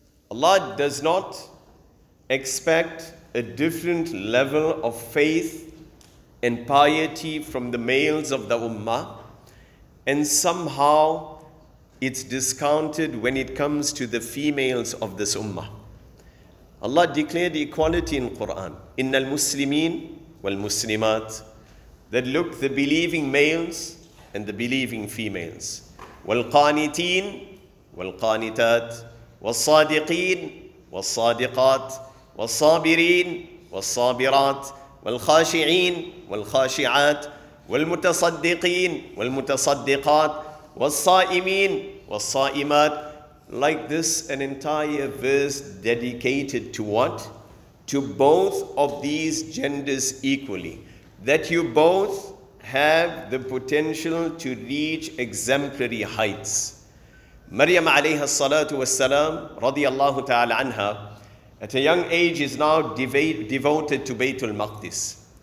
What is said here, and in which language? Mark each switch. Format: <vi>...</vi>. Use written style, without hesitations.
<en>Allah does not expect a different level of faith and piety from the males of the ummah, and somehow it's discounted when it comes to the females of this ummah. Allah declared equality in Quran.</en> <ar>Innal muslimin wal muslimat,</ar> <en>that look, the believing males and the believing females.</en> <ar>والقانتين والقانتات والصادقين والصادقات والصابرين والصابرات والخاشعين والخاشعات والمتصدقين والمتصدقات والصائمين والصائمات.</ar> <en>Like this, an entire verse dedicated to what? To both of these genders equally, that you both have the potential to reach exemplary heights. Maryam alayha salatu wassalam radiyallahu ta'ala anha, at a young age, is now devoted to Baytul Maqdis.</en>